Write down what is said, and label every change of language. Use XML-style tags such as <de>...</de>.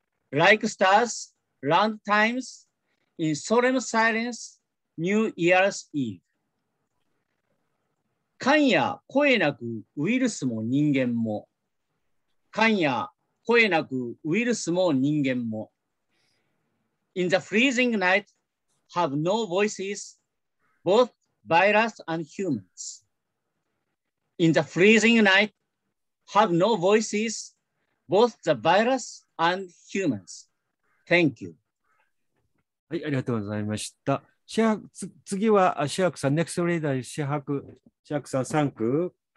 <en>Like stars, round times, in solemn silence, New Year's Eve.</en> <ja>寒夜声なくウイルスも人間も。寒夜声なくウイルスも人間も。</ja> <en>In the freezing night, have no voices, both virus and humans. In the freezing night, have no voices, both the virus and humans. Thank you.</en> <ja>はい、ありがとうございました。シハク、次はシハクさん、</ja> <en>next reader、</en> <ja>シハク、シハクさん、</ja> <en>thank you。</en>